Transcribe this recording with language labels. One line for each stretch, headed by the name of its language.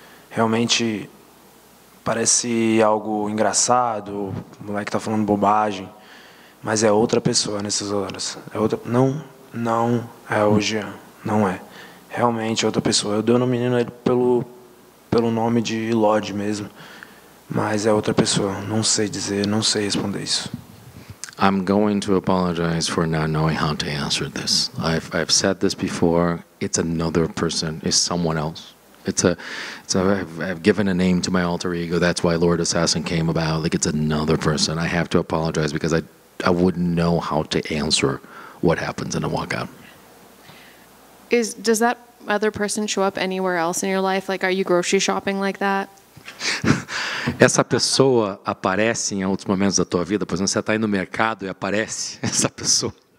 Portuguese: Realmente parece algo engraçado, o moleque está falando bobagem, mas é outra pessoa nessas horas. É outra. Não é o Jean. Não é. Realmente é outra pessoa. Eu dei o menino ele pelo nome de Lodge mesmo. Mas é outra pessoa. Não sei dizer, não sei responder isso.
English: I'm going to apologize for not knowing how to answer this. I've said this before. It's another person. It's someone else. I've given a name to my alter ego. That's why Lord Assassin came about. Like, it's another person. I have to apologize because I wouldn't know how to answer what happens in a walkout. Does that other person show up anywhere else in your life? Like, are you grocery shopping like that?
Portuguese: Essa pessoa aparece em outros momentos da tua vida? Por exemplo, você está indo no mercado e aparece essa pessoa.